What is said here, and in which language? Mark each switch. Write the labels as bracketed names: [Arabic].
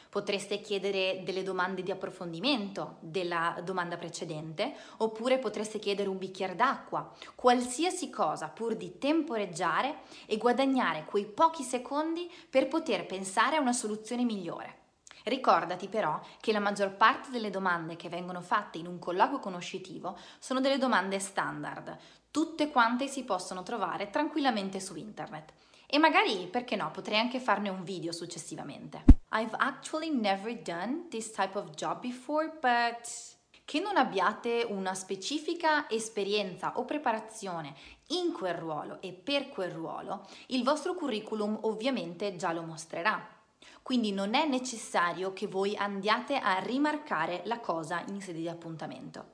[Italian] Potreste chiedere delle domande di approfondimento della domanda precedente, oppure potreste chiedere un bicchiere d'acqua, qualsiasi cosa pur di temporeggiare e guadagnare quei pochi secondi per poter pensare a una soluzione migliore. Ricordati però che la maggior parte delle domande che vengono fatte in un colloquio conoscitivo sono delle domande standard, tutte quante si possono trovare tranquillamente su internet. E magari, perché no, potrei anche farne un video successivamente. [English] I've actually never done this type of job before, but... [Italian] Che non abbiate una specifica esperienza o preparazione in quel ruolo e per quel ruolo, il vostro curriculum ovviamente già lo mostrerà. Quindi non è necessario che voi andiate a rimarcare la cosa in sede di appuntamento.